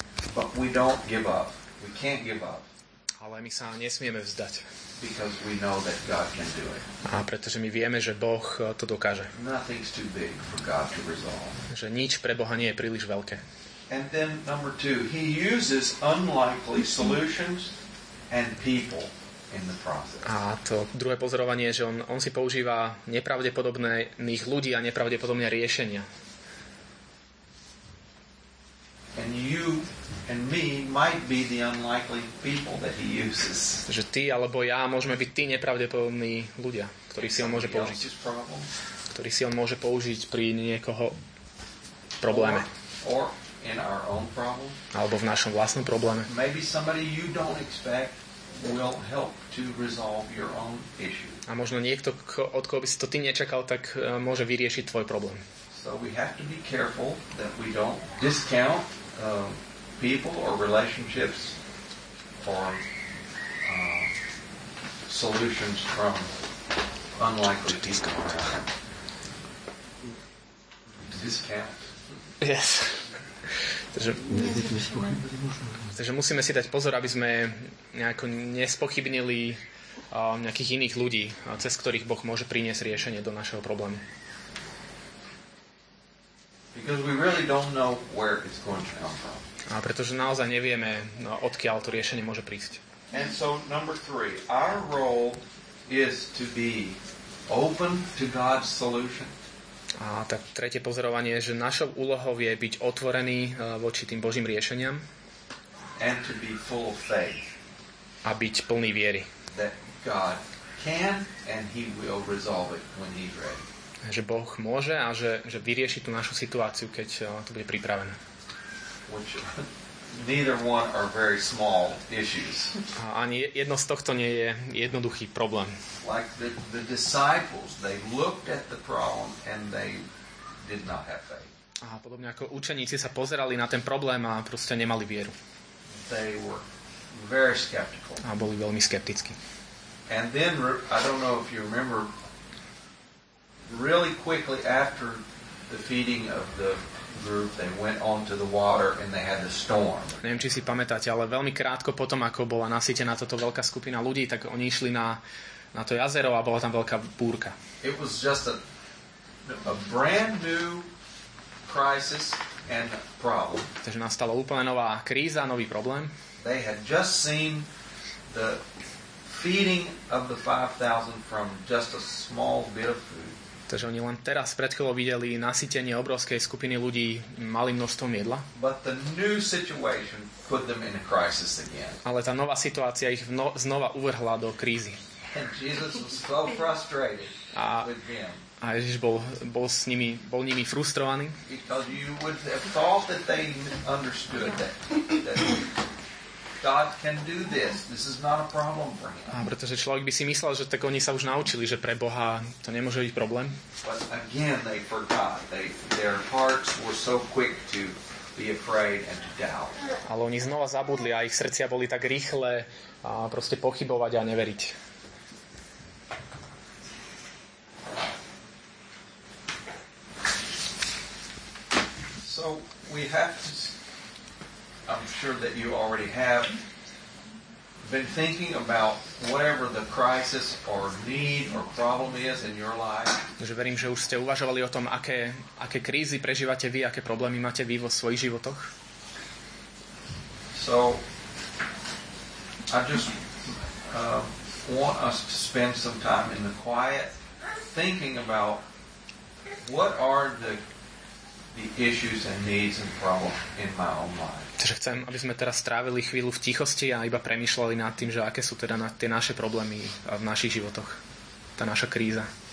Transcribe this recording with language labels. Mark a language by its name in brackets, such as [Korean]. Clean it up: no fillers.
[English] But we don't give up. We can't give up. [Slovak] Ale my sa nesmieme vzdať. [English] because we know that God can do it. [Slovak] A pretože my vieme, že Boh to dokáže. [English] Nothing's too big for God to resolve. [Slovak] Že nič pre Boha nie je príliš veľké. [English] And then number two, he uses unlikely solutions and people in the process. [Slovak] A to druhé pozorovanie je, že on si používa nepravdepodobných ľudí a nepravdepodobné riešenia. [English] And you and me might be the unlikely people that he uses. [Slovak] Že ty alebo ja môžeme byť tí nepravdepodobní ľudia, ktorých si on môže použiť. Ktorých si on môže použiť pri niekoho probléme. [English] Or in our own problem. [Slovak] Alebo v našom vlastnom probléme. [English] Maybe somebody you don't expect will help to resolve your own issue. [Slovak] A možno niekto, od koho by si to ty nečakal, tak môže vyriešiť tvoj problém. [English] So we have to be careful that we don't discount people or relationships or solutions from unlikely people. Discount. Yes. [Slovak] Takže musíme si dať pozor, aby sme nejako nespochybnili nejakých iných ľudí, cez ktorých Boh môže priniesť riešenie do našeho problému. [English] Because we really don't know where it's going to come from. [Slovak] A pretože naozaj nevieme, odkiaľ to riešenie môže prísť. [English] And so number three, our role is to be open to God's solution. [Slovak] A tak tretie pozorovanie je, že našou úlohou je byť otvorený voči tým Božím riešeniam. [English] And to be full of faith. [Slovak] A byť plný viery. [English] That God can and he will resolve it when he's ready. [Slovak] Že Boh môže a že vyrieši tú našu situáciu, keď to bude pripravené. [English] Which, neither one are very small issues. [Slovak] A ani jedno z tohto nie je jednoduchý problém. [English] Like the disciples, they looked at the problem and they did not have faith. [Slovak] A podobne ako učeníci sa pozerali na ten problém a proste nemali vieru. [English] They were very skeptical. [Slovak] A boli veľmi skeptickí. [English] And then, I don't know if you remember, really quickly after the feeding of the group, they went onto the water and they had the storm. [Slovak] Neviem, či si pamätáte, ale veľmi krátko potom, ako bola nasýtená toto veľká skupina ľudí, tak oni išli na to jazero a bola tam veľká búrka. [English] It was just a brand new crisis and problem. [Slovak] Takže nastala úplne nová kríza, nový problém. [English] They had just seen the feeding of the 5,000 from just a small bit of food. [Slovak] Takže oni len teraz pred chvíľou videli nasytenie obrovskej skupiny ľudí malým množstvom jedla. [English] But the new situation put them in a crisis again. [Slovak] Ale tá nová situácia ich znova uvrhla do krízy. [English] And Jesus was so frustrated with them. [Slovak] A Ježiš bol s nimi, bol nimi frustrovaný. [English] Because you would have thought that they understood that God can do this. This is not a problem for him. [Slovak] A pretože človek by si myslel, že tak oni sa už naučili, že pre Boha to nemôže byť problém. [English] But again, they forgot. Their hearts were so quick to be afraid and to doubt. [Slovak] Ale oni znova zabudli a ich srdcia boli tak rýchle a proste pochybovať a neveriť. [English] So we have to, I'm sure that you already have been thinking about whatever the crisis or need or problem is in your life. [Slovak] Takže verím, že už ste uvažovali o tom, aké krízy prežívate vy, aké problémy máte vy vo svojich životoch. [English] So I just want us to spend some time in the quiet thinking about what are the issues and needs and problems in my own life. [Slovak] Takže chcem, aby sme teraz strávili chvíľu v tichosti a iba premýšľali nad tým, že aké sú teda tie naše problémy v našich životoch. Tá naša kríza.